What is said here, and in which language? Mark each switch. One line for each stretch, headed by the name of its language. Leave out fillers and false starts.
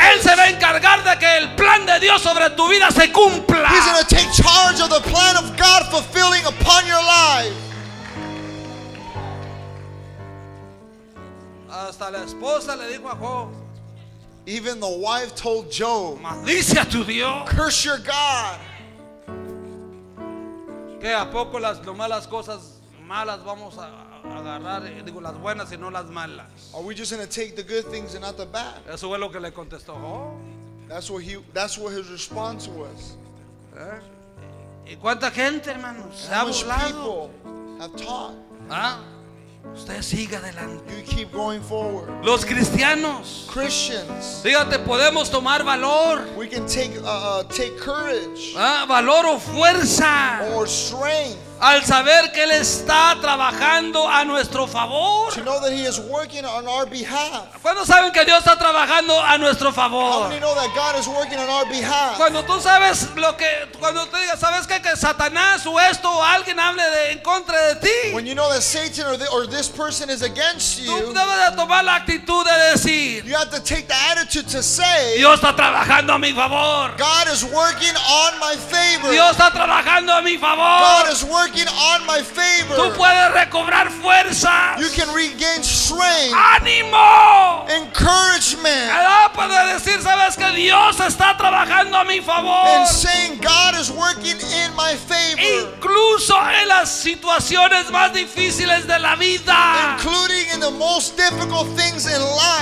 Spanish: Él se va a encargar de que el plan de Dios sobre tu vida se cumpla.
English: He's going to take charge of the plan of God fulfilling upon your life.
Spanish: Hasta la esposa le dijo a Job.
English: Even the wife told Job,
Spanish: maldice a tu Dios.
English: Curse your God.
Spanish: ¿Qué a poco las malas cosas malas vamos a agarrar, digo las buenas y no las malas?
English: Are we just going to take the good things and not the bad?
Spanish: Eso fue lo que le contestó Job.
English: That's what his response was.
Spanish: ¿Y cuánta gente, hermano, se ha burlado?
English: Have taught.
Spanish: ¿Ah? Usted siga adelante.
English: You keep going forward.
Spanish: Los cristianos.
English: Christians.
Spanish: Dígate, podemos tomar valor.
English: We can take courage.
Spanish: ¿Ah? Valor o fuerza.
English: Or strength.
Spanish: Al saber que Él está trabajando a nuestro favor.
English: To know that he is working on our behalf.
Spanish: ¿Cuándo saben que Dios está trabajando a nuestro favor?
English: How many know that God is working on our behalf?
Spanish: Cuando tú sabes lo que, cuando tú digas, ¿sabes qué? Que Satanás o esto o alguien hable de, en contra de ti.
English: When you know that Satan or this person is against you.
Spanish: Tú debes de tomar la actitud de decir,
English: you have to take the attitude to say,
Spanish: Dios está trabajando a mi favor.
English: God is working on my favor.
Spanish: Dios está trabajando a mi favor.
English: God is working on my favor.
Spanish: Tú puedes recobrar fuerza.
English: You can regain strength.
Spanish: Ánimo.
English: Encouragement.
Spanish: Ahora puedes decir, sabes que Dios está trabajando a mi favor.
English: And saying God is working in my favor.
Spanish: Incluso en las situaciones más difíciles de la vida.
English: Including in the most difficult things in life.